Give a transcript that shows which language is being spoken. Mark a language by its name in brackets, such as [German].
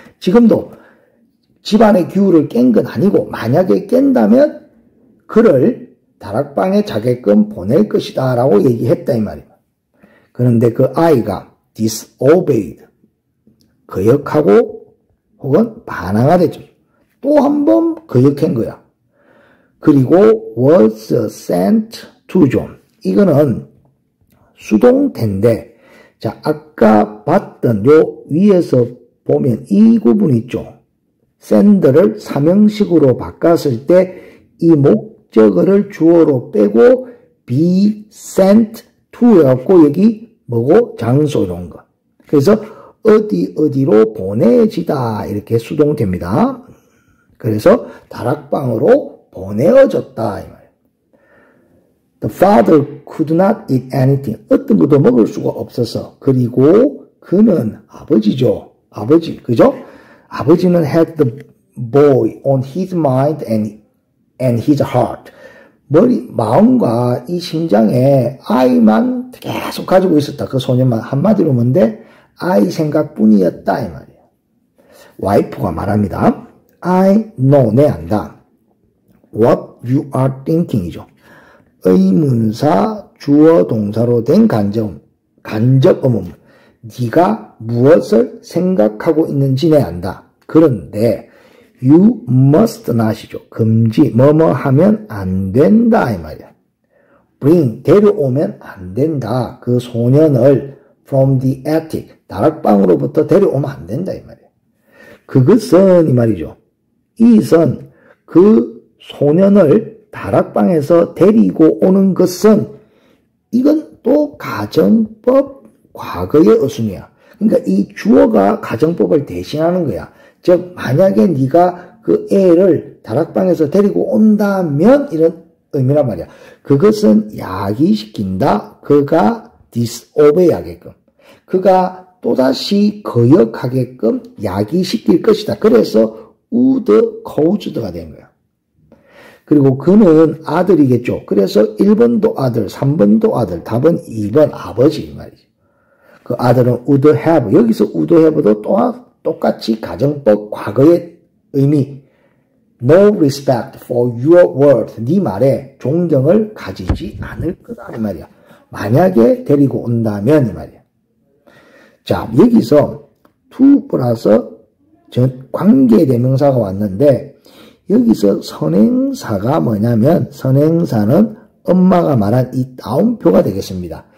[Korean] 지금도 집안의 규율을 깬 건 아니고 만약에 깬다면 그를 다락방에 자게끔 보낼 것이다 라고 얘기했다 이 말이에요. 그런데 그 아이가 disobeyed 거역하고 혹은 반항하겠죠. 또 한 번 거역한 거야. 그리고 [English] was sent to John. [Korean] 이거는 수동태인데, 자, 아까 봤던 요 위에서 보면 이 부분 있죠. send를 사명식으로 바꿨을 때 이 목적어를 주어로 빼고 be sent to 해갖고 여기 뭐고 장소 이런 거. 그래서 어디 어디로 보내지다 이렇게 수동태입니다. 그래서 다락방으로 보내어졌다 이 말이에요. [English] The father could not eat anything. [Korean] 어떤 것도 먹을 수가 없어서. 그리고 그는 아버지죠. 아버지, 그죠? 아버지는 [English] had the boy on his mind and his heart. [Korean] 머리, 마음과 이 심장에 아이만 계속 가지고 있었다. 그 소년만 한마디로 뭔데? 아이 생각뿐이었다 이 말이에요. 와이프가 말합니다. [English] I know, [Korean] 내 안다. [English] What you are thinking이죠. [Korean] 의문사 주어 동사로 된 간접어문. 네가 무엇을 생각하고 있는지 내 안다. 그런데 [English] you must not이죠. [Korean] 금지 뭐뭐 하면 안 된다 이 말이야. Bring 데려오면 안 된다. 그 소년을 [English] from the attic [Korean] 다락방으로부터 데려오면 안 된다 이 말이야. 그것은 이 말이죠. is은 그 소년을 다락방에서 데리고 오는 것은 이건 또 가정법 과거의 어순이야. 그러니까 이 주어가 가정법을 대신하는 거야. 즉 만약에 네가 그 애를 다락방에서 데리고 온다면 이런 의미란 말이야. 그것은 야기시킨다. 그가 disobey하게끔. 그가 또다시 거역하게끔 야기시킬 것이다. 그래서 would caused가 된 거야. 그리고 그는 아들이겠죠. 그래서 1번도 아들, 3번도 아들, 답은 2번 아버지 말이지. 그 아들은 would have, 여기서 would have도 똑같이 가정법 과거의 의미. [English] No respect for your word. [Korean] 네 말에 존경을 가지지 않을 거다 이 말이야. 만약에 데리고 온다면 이 말이야. 자, 여기서 to 플러스 전 관계대명사가 왔는데 여기서 선행사가 뭐냐면 선행사는 엄마가 말한 이 따옴표가 되겠습니다.